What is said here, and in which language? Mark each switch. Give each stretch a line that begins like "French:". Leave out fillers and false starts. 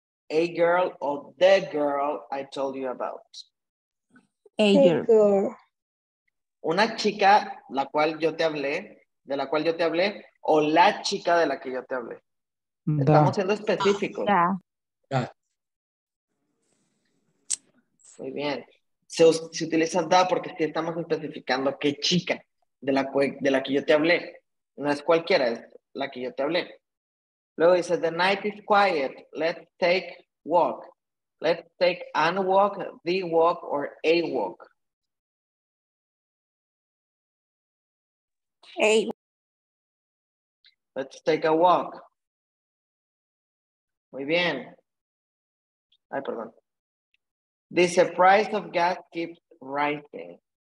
English: A girl or the girl I told you about. A girl.
Spanish: Una chica la cual yo te hablé, de la cual yo te hablé, o la chica de la que yo te hablé. Da. Estamos siendo específicos.
English: Yeah.
Spanish: Muy bien. se utiliza da porque sí estamos especificando qué chica de la que yo te hablé. No es cualquiera, es la que yo te hablé. Luego dice,
English: the night is quiet, let's take walk. Let's take an walk, the walk, or a walk. Hey. Let's take a walk.
Spanish: Muy bien. Ay, perdón. Dice,
English: price of gas keeps rising.